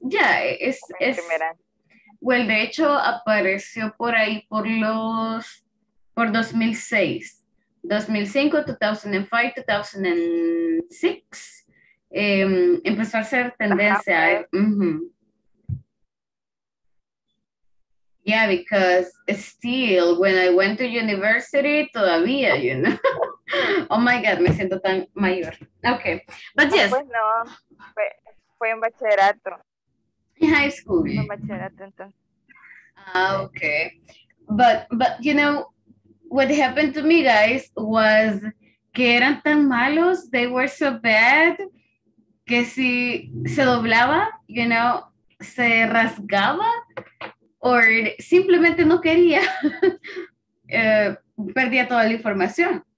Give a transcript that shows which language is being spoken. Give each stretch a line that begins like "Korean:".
Spanish: Ya, es well, de hecho apareció por ahí por 2006, 2005, 2005, 2006, empezó a ser tendencia. Ajá, okay.
English: Yeah, because still, when I went to university, todavía, you know. Oh my God,
Spanish: me siento tan mayor.
English: Okay, but yes.
Spanish: Bueno, fue en bachillerato.
English: In high school.
Spanish: En bachillerato, entonces. Ah, okay.
English: But, you know, what happened to me, guys, was
Spanish: que eran tan malos,
English: they were so bad,
Spanish: que si se doblaba,
English: you know,
Spanish: se rasgaba. O simplemente no quería, perdía toda la información.